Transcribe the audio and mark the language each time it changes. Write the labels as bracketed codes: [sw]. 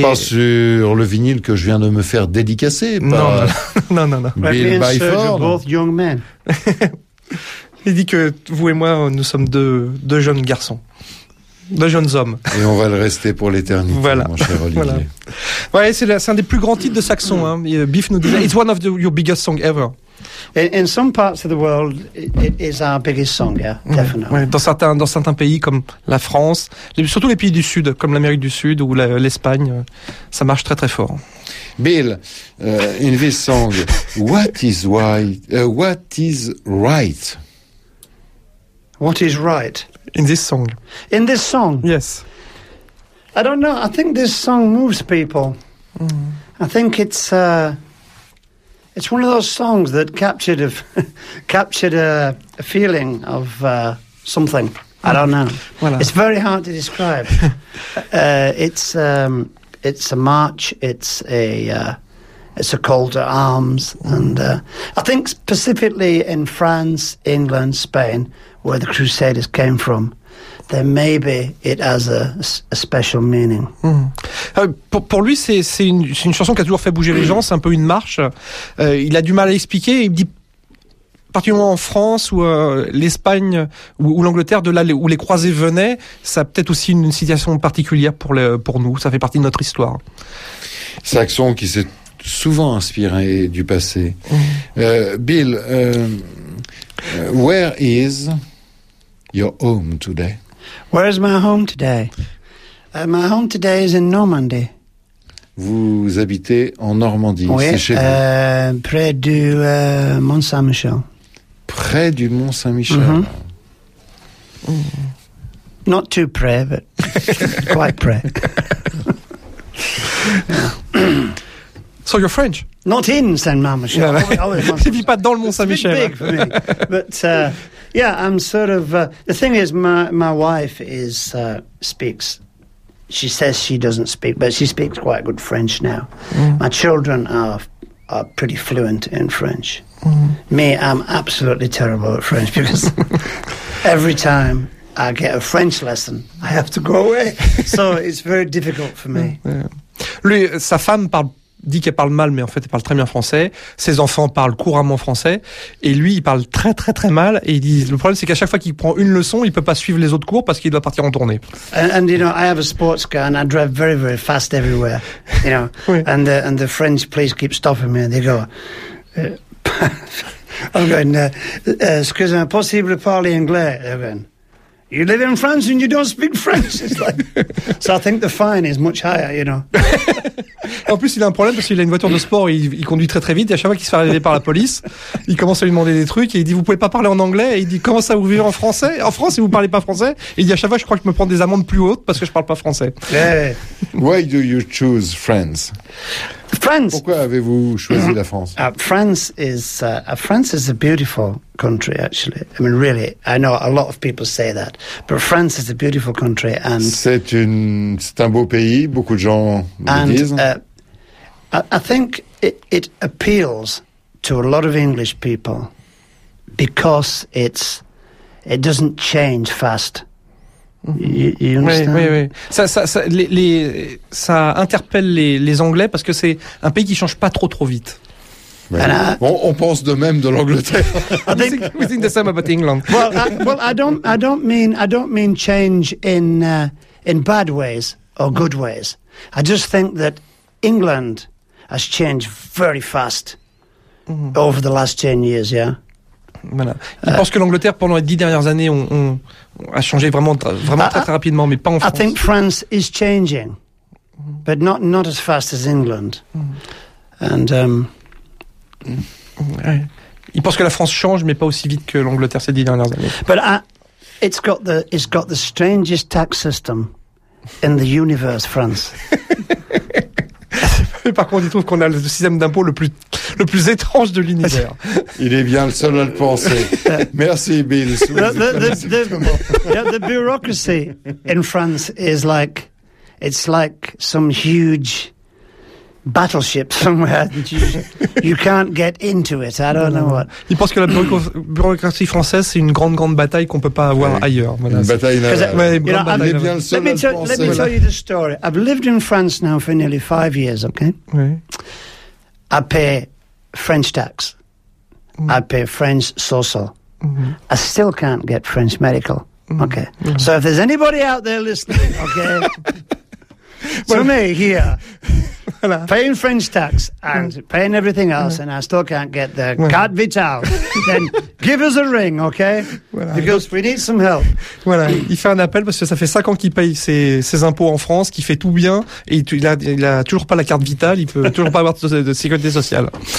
[fr] pas sur le vinyle que je viens de me faire dédicacer. Non, non, non, non. Bill Byford. [en] Both young men. [fr] Il dit que vous et moi, nous sommes deux jeunes garçons. De jeunes hommes. Et on va le rester pour l'éternité, voilà. Mon cher Olivier. Voilà. Ouais, c'est un des plus grands titres de saxon. Hein. Biff nous disait, [en] it's one of your biggest songs ever. In some parts of the world, it is our biggest song, yeah, definitely. [fr] Ouais, dans certains pays comme la France, surtout les pays du Sud, comme l'Amérique du Sud ou l'Espagne, ça marche très très fort. [en] Bill, in this song, what is right? What is right? In this song? Yes. I don't know. I think this song moves people. Mm. I think it's one of those songs that captured a feeling of something. I don't know. [fr] Voilà. [en] It's very hard to describe. it's a march. It's a call to arms. Mm. And I think specifically in France, England, Spain, where the Crusaders came from, then maybe it has a special meaning. Mm. [fr] Pour lui, c'est une chanson qui a toujours fait bouger les gens, c'est un peu une marche. Il a du mal à expliquer, il dit, particulièrement en France ou l'Espagne ou l'Angleterre, de là où les croisés venaient, ça a peut-être aussi une situation particulière pour nous, ça fait partie de notre histoire. Saxon qui s'est souvent inspiré du passé. Mm. [en] Bill, where is your home today? Where is my home today? My home today is in Normandy. [fr] Vous habitez en Normandie, oui, c'est chez vous. Près du Mont Saint-Michel. Près du Mont Saint-Michel. Mm-hmm. Mm. [en] Not too près, but quite près. So you're French? Not in Saint-Michel. Je [fr] ne vis pas dans le Mont Saint-Michel. [en] It's a bit big for me. But yeah, I'm sort of the thing is my wife is speaks. She says she doesn't speak, but she speaks quite good French now. Mm. My children are pretty fluent in French. Mm. Me, I'm absolutely terrible at French because every time I get a French lesson, I have to go away. So it's very difficult for me. Yeah. [fr] Lui, sa femme dit qu'elle parle mal, mais en fait, elle parle très bien français. Ses enfants parlent couramment français. Et lui, il parle très, très, très mal. Et le problème, c'est qu'à chaque fois qu'il prend une leçon, il ne peut pas suivre les autres cours parce qu'il doit partir en tournée. [en] And you know, I have a sports car and I drive very, very fast everywhere. You know, [fr] oui. [en] And the French police keep stopping me and they go, I'm going, [fr] excusez-moi, possible parler anglais. [en] You live in France and you don't speak French. It's like, so I think the fine is much higher, you know. [fr] En plus, il a un problème parce qu'il a une voiture de sport, il conduit très très vite, et à chaque fois qu'il se fait arrêter par la police, il commence à lui demander des trucs, et il dit, vous pouvez pas parler en anglais, et il dit, comment ça vous vivez en français? En France, si vous parlez pas français? Et il dit, à chaque fois, je crois que je me prends des amendes plus hautes parce que je parle pas français. [en] Yeah. Why do you choose France? France! [fr] Pourquoi avez-vous choisi la France? [en] France is a beautiful country, actually. I mean, really, I know a lot of people say that, but France is a beautiful country, and... [fr] C'est un beau pays, beaucoup de gens le disent. [en] I think it appeals to a lot of English people because it doesn't change fast. You understand? [fr] Oui, oui, oui. Ça interpelle les Anglais parce que c'est un pays qui ne change pas trop, trop vite. On pense de même de l'Angleterre. [en] We think the same about England. Well, I don't mean change in bad ways or good ways. I just think that England has changed very fast over the last 10 years, yeah? [fr] Voilà. Il pense que l'Angleterre, pendant les 10 dernières années, a changé vraiment très, très rapidement, mais pas en France. [en] I think France is changing, but not as fast as England. And, [fr] Il pense que la France change, mais pas aussi vite que l'Angleterre ces 10 dernières années. [en] But it's got the strangest tax system in the universe, France. [fr] Par contre, il trouve qu'on a le système d'impôt le plus étrange de l'univers. Il est bien le seul à le penser. Merci, Bill. [en] The bureaucracy in France is like it's like some huge battleship somewhere. You can't get into it. I don't know what. [fr] Il pense que la bureaucratie française c'est une grande grande bataille qu'on peut pas avoir ailleurs. Voilà. Une bataille navale. [en] Let me tell you the story. I've lived in France now for nearly 5 years. Okay. [fr] Oui. [en] I pay French tax. Mm. I pay French social. Mm-hmm. I still can't get French medical. Mm-hmm. Okay. Mm-hmm. So if there's anybody out there listening, okay, to me here, paying French tax and paying everything else, and I still can't get the carte vitale, then give us a ring, okay? Because we need some help. [fr] Voilà, il fait un appel parce que ça fait 5 ans qu'il paye ses impôts en France, qu'il fait tout bien, et il a toujours pas la carte vitale, il peut toujours pas avoir de sécurité sociale.